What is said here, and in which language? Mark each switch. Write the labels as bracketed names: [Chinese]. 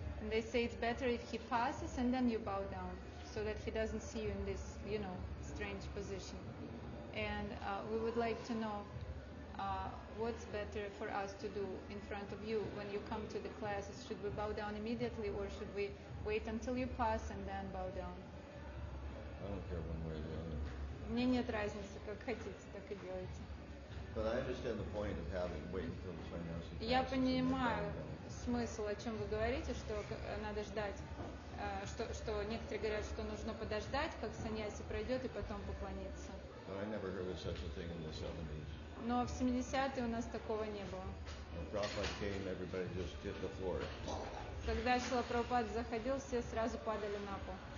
[English] And they say it's better if he passes and then you bow down, so that he doesn't see you in this, you know, strange position. And we would like to know, what's better for us to do in front of you when you come to the classes? Should we bow down immediately or should we wait until you pass and then bow down? I don't care one way or the other. [Russian] Мне нет разницы, как хотите, так и делайте. [English] But I understand the point of having wait until the sannyasi passes. [Russian] Я понимаю смысл, о чем вы говорите, что надо ждать, что некоторые говорят, что нужно подождать, как саньяси пройдет, и потом поклониться. [English] But I never heard of such a thing in the 70s. [Russian] Но в 70-е у нас такого не было. [English] When Prabhupada came, everybody just hit the floor. [Russian] Когда Шрила Прабхупада заходил, все сразу падали на пол.